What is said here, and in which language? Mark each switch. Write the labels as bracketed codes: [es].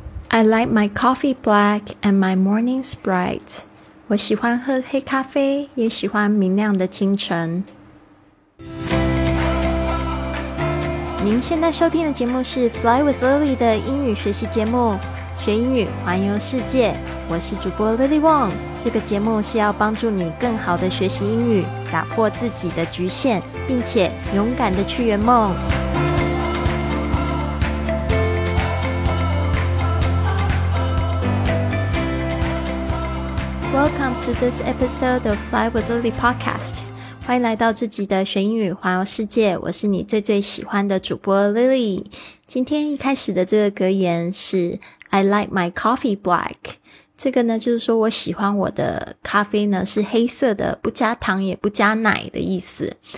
[en] I like my coffee black and my morning sprite. [zh] 我喜欢喝黑咖啡，也喜欢明亮的清晨。您现在收听的节目是 Fly with Lily 的英语学习节目，学英语，环游世界。我是主播 Lily Wong。这个节目是要帮助你更好的学习英语，打破自己的局限，并且勇敢的去圆梦。 [en] Welcome to this episode of Fly with Lily podcast. [zh] 欢迎来到自己的学英语环游世界，我是你最最喜欢的主播 Lily。今天一开始的这个格言是 [en] I like my coffee black。 [zh] 这个呢就是说我喜欢我的咖啡呢是黑色的，不加糖也不加奶的意思。